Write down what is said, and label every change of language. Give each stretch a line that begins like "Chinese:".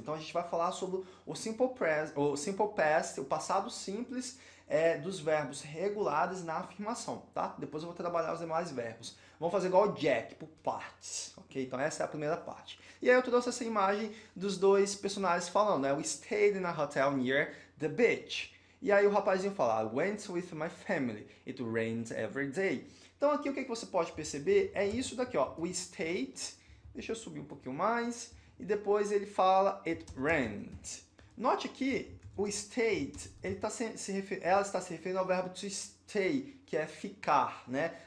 Portuguese: Então a gente vai falar sobre o Simple Past, o passado simples dos verbos regulares na afirmação, tá? Depois eu vou trabalhar os demais verbos. Vamos fazer igual o Jack, por partes, ok? Então essa é a primeira parte. E aí eu trouxe essa imagem dos dois personagens falando, né?
English: We stayed in a hotel near the beach.
Portuguese: E aí o rapazinho fala,
English: I went with my family. It rains every day.
Portuguese: Então aqui o que você pode perceber é isso daqui, ó. We stayed. Deixa eu subir um pouquinho mais. E depois ele fala,
English: it rains.
Portuguese: Note aqui, o stayed, ela está se referindo ao verbo to stay, que é ficar, né?